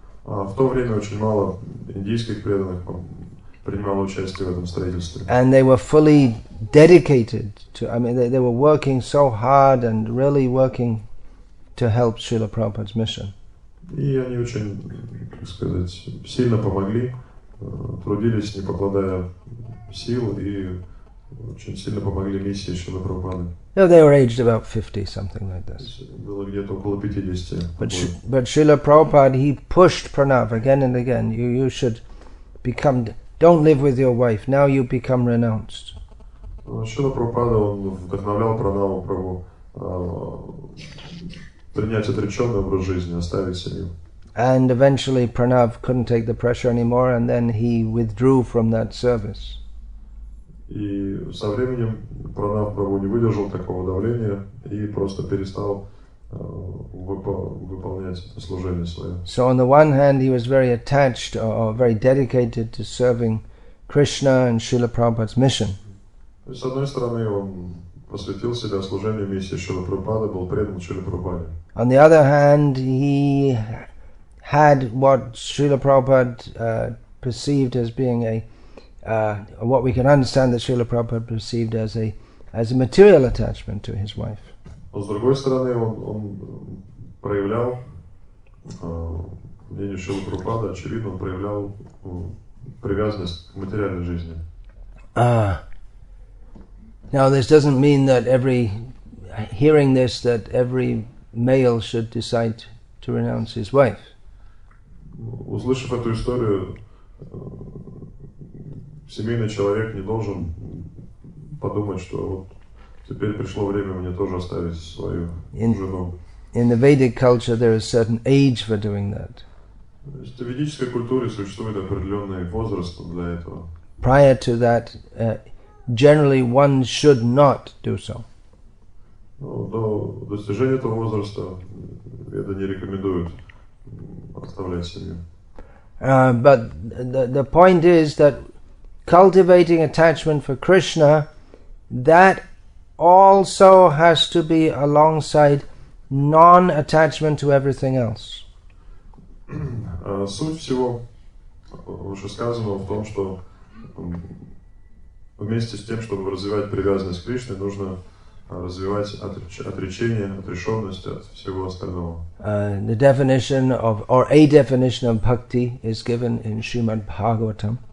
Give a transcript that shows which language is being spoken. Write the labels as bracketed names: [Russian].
[Russian] В то время очень мало индийских преданных принимало участие в этом строительстве. [English] And they were fully dedicated to, I mean, they were working so hard and really working to help Srila Prabhupada's mission. [Russian] И они очень, как сказать, сильно помогли, трудились, не покладая сил, и очень сильно помогли миссии Шрилы Прабхупады. [English] No, they were aged about 50, something like this. But Srila Prabhupada, he pushed Pranav again and again. You should become, don't live with your wife, now you become renounced. [Russian] Srila Prabhupada, он вдохновлял Пранава Прабху принять отреченный образ жизни, оставить семью. [English] And eventually Pranav couldn't take the pressure anymore, and then he withdrew from that service. [Russian] И со временем Пранав Прабху не выдержал такого давления и просто перестал выполнять это служение свое. [English] So on the one hand he was very attached or very dedicated to serving Krishna and Srila Prabhupada's mission. [Russian] С одной стороны он посвятил себя служению миссии Шрилы Прабхупады, был предан Шриле Прабхупаде. [English] On the other hand he had what Srila Prabhupada perceived as being what we can understand that Srila Prabhupada perceived as a material attachment to his wife. [Russian] Но с другой стороны, он проявлял, мнение Шрилы Прабхупады, очевидно, он проявлял привязанность к материальной жизни. [English] Now this doesn't mean that every hearing this that every male should decide to renounce his wife. [Russian] Услышав эту историю, семейный человек не должен подумать, что вот теперь пришло время мне тоже оставить свою жену. [English] In the Vedic culture, there is a certain age for doing that. [Russian] В ведической культуре существует определенный возраст для этого. [English] Prior to that, generally one should not do so. [Russian] До достижения этого возраста это не рекомендуют оставлять семью. [English] But the point is that cultivating attachment for Krishna, that also has to be alongside non-attachment to everything else. [Russian] Суть всего вышесказанного в том, что вместе с тем, чтобы развивать привязанность к Кришне, нужно развивать отречение, отрешенность от всего остального. [English] The definition of, or a definition of bhakti is given in Shrimad Bhagavatam.